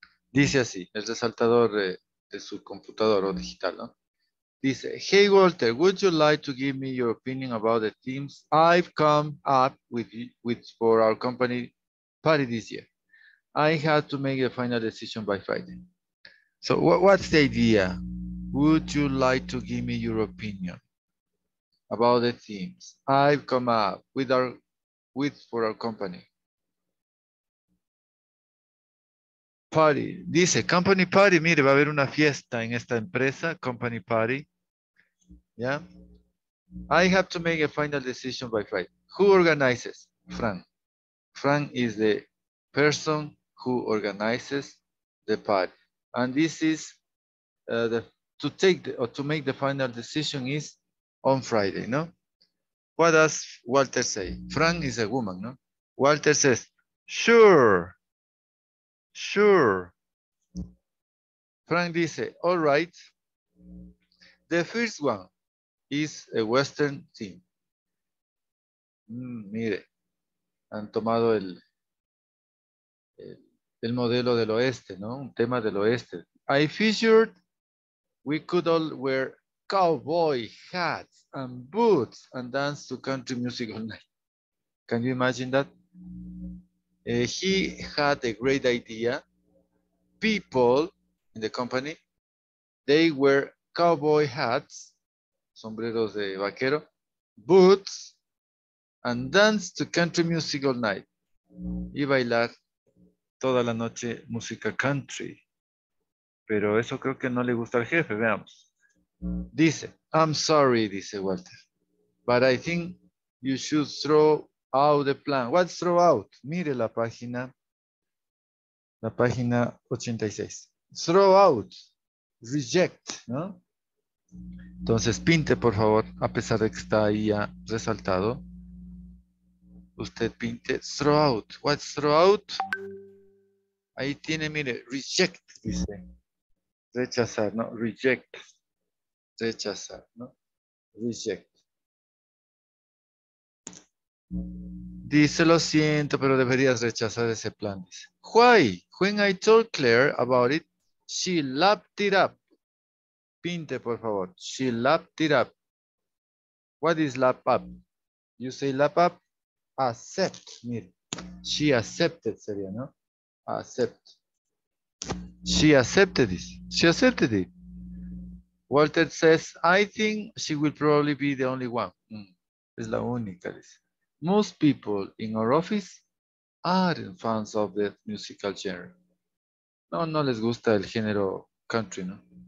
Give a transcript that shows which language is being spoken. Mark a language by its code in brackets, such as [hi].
[es] Dice así, el resaltador de su computador o digital, ¿no? [en] Dice, hey Walter, would you like to give me your opinion about the themes I've come up with for our company party this year? I have to make a final decision by Friday. So what's the idea? Would you like to give me your opinion about the themes I've come up with for our company? Party. Dice, company party. [es] Mire, va a haber una fiesta en esta empresa. [en] Company party. Yeah. I have to make a final decision by Friday. Who organizes? Frank. Frank is the person who organizes the party. And this is to make the final decision is on Friday, no? What does Walter say? Frank is a woman, no? Walter says, sure. Sure. Frank dice, all right. The first one is a Western theme. [es] Mire, han tomado el modelo del oeste, ¿no? Un tema del oeste. [en] I figured we could all wear cowboy hats and boots and dance to country music all night. Can you imagine that? He had a great idea. People in the company, they wear cowboy hats, [es] sombreros de vaquero, [en] boots, and dance to country music all night. [es] Y bailar toda la noche música country. Pero eso creo que no le gusta al jefe, veamos. [en] Dice, I'm sorry, dice Walter, but I think you should throw out the plan. What's throw out? [es] Mire la página 86. [en] Throw out, reject, [es] ¿no? Entonces pinte, por favor, a pesar de que está ahí ya resaltado. Usted pinte, [en] throw out. What's throw out? [es] Ahí tiene, mire, reject, dice. Rechazar, ¿no? Reject. Rechazar, ¿no? Reject. Dice, lo siento, pero deberías rechazar ese plan. [en] Dice, why? When I told Claire about it, she lapped it up. [es] Pinte, por favor. [en] She lapped it up. What is lap up? You say lap up? Accept, mire. She accepted, [es] sería, ¿no? [en] Accept. She accepted it. She accepted it. Walter says, I think she will probably be the only one. [es] Es la única, dice. [en] Most people in our office aren't fans of the musical genre. [es] No, no les gusta el género country, ¿no?